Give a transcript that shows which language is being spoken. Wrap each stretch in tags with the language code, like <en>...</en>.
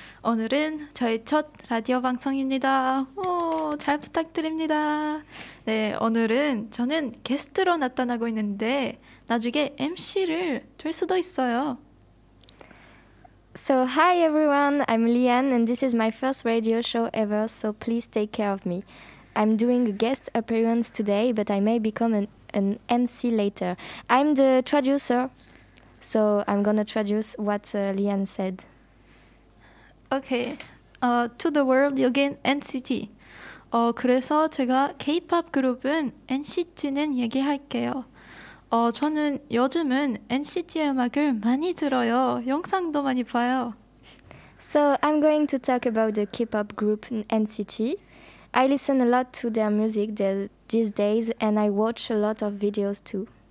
<ko>오늘은 저의 첫 라디오 방송입니다. 오, 잘 부탁드립니다. 네, 오늘은 저는 게스트로 나타나고 있는데 나중에 MC를 될 수도 있어요.</ko> <en>So, hi everyone. I'm Liane and this is my first radio show ever, so please take care of me. I'm doing a guest appearance today, but I may become an MC later. I'm the traducer. So I'm gonna traduce what Liane said. Okay, to the world,</en> <ko>여긴 NCT. 그래서 제가 K-pop 그룹은 NCT는 얘기할게요. 저는 요즘은 NCT의 음악을 많이 들어요. 영상도 많이 봐요.</ko> <en>So I'm going to talk about the K-pop group NCT. I listen a lot to their music these days, and I watch a lot of videos too.</en>